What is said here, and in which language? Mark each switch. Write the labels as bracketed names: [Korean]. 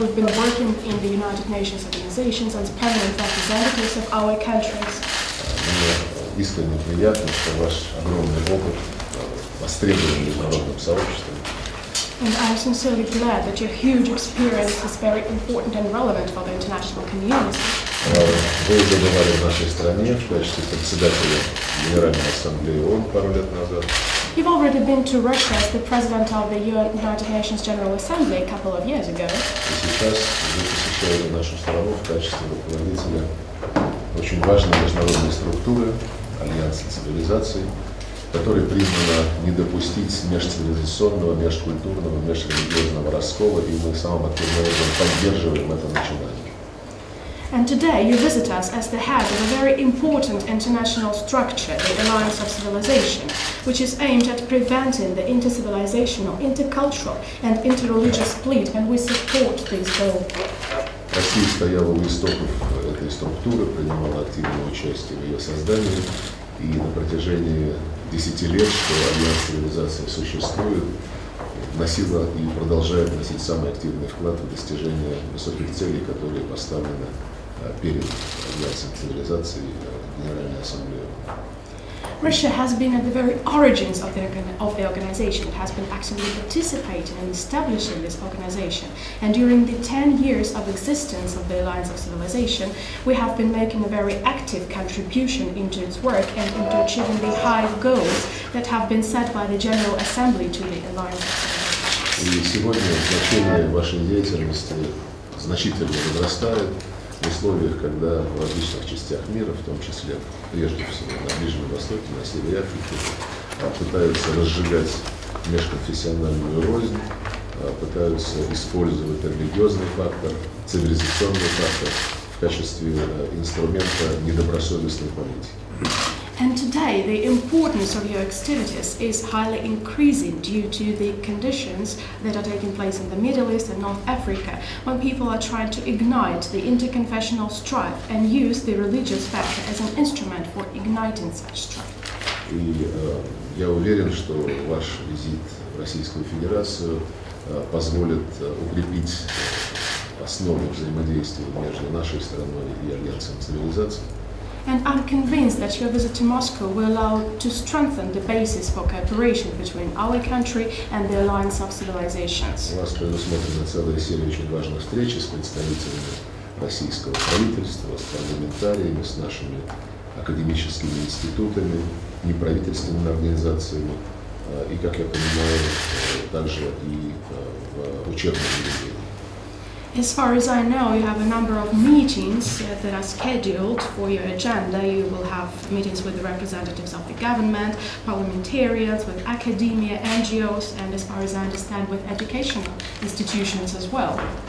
[English] We've been working in the United Nations organizations as permanent representatives of our countries. [Russian] Мне искренне приятно, что ваш огромный опыт востребован международным сообществом. [English] And I'm sincerely glad that your huge experience is very important and relevant for the international community. [Russian] Вы уже бывали в нашей стране в качестве председателя Генеральной Ассамблеи ООН пару лет назад. [English] You've already been to Russia as the president of the United Nations General Assembly a couple of years ago. [Russian] И сейчас вы посещаете нашу страну в качестве руководителя очень важной международной структуры Альянса цивилизаций, которая призвана не допустить межцивилизационного, межкультурного, межрелигиозного раскола, и мы самым активным образом поддерживаем это начинание. [English] And today you visit us as the head of a very important international structure, the Alliance of Civilization, which is aimed at preventing the intercivilizational, intercultural and interreligious split, and we support this goal. [Russian] Россия стояла у истоков этой структуры, принимала активное участие в ее создании, и на протяжении 10 лет, что Альянс Цивилизации существует, носила и продолжает носить самый активный вклад в достижение высоких целей, которые поставлены перед Альянсом Цивилизации Генеральной Ассамблеи. [English] Russia has been at the very origins of the organization. It has been actively participating in establishing this organization. And during the 10 years of existence of the Alliance of Civilization, we have been making a very active contribution into its work and into achieving the high goals that have been set by the General Assembly to the Alliance of Civilization. [Russian] И сегодня значение вашей деятельности значительно возрастает в условиях, когда в различных частях мира, в том числе, прежде всего, на Ближнем Востоке, на Севере Африки, пытаются разжигать межконфессиональную рознь, пытаются использовать религиозный фактор, цивилизационный фактор в качестве инструмента недобросовестной политики. [English] And today the importance of your activities is highly increasing due to the conditions that are taking place in the Middle East and North Africa, when people are trying to ignite the interconfessional strife and use the religious factor as an instrument for igniting such strife. [Russian] И я уверен, что ваш визит в Российскую Федерацию позволит укрепить основы взаимодействия между нашей страной и Альянсом Цивилизаций. [English] And I'm convinced that your visit to Moscow will allow to strengthen the basis for cooperation between our country and the Alliance of Civilizations. [Russian] У вас предусмотрена целая серия очень важных встреч с представителями российского правительства, с парламентариями, с нашими академическими институтами, неправительственными организациями, и, как я понимаю, также и в учебном заведении. [English] As far as I know, you have a number of meetings that are scheduled for your agenda. You will have meetings with the representatives of the government, parliamentarians, with academia, NGOs, and as far as I understand, with educational institutions as well.